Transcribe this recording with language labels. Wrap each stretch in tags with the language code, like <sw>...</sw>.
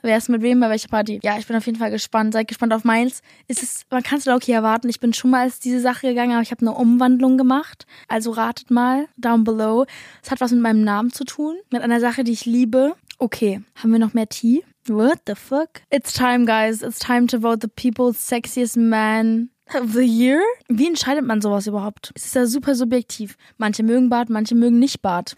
<de>Wer ist mit wem bei welcher Party? Ja, ich bin auf jeden Fall gespannt. Seid gespannt auf meins. Man kann es low-key erwarten. Ich bin schon mal als diese Sache gegangen, aber ich habe eine Umwandlung gemacht. Also ratet mal, down below. Es hat was mit meinem Namen zu tun. Mit einer Sache, die ich liebe. Okay, haben wir noch mehr Tee?</de> <en>What the fuck? It's time, guys. It's time to vote the people's sexiest man of the year?</en> <de>Wie entscheidet man sowas überhaupt? Es ist ja super subjektiv. Manche mögen Bart, manche mögen nicht Bart.</de>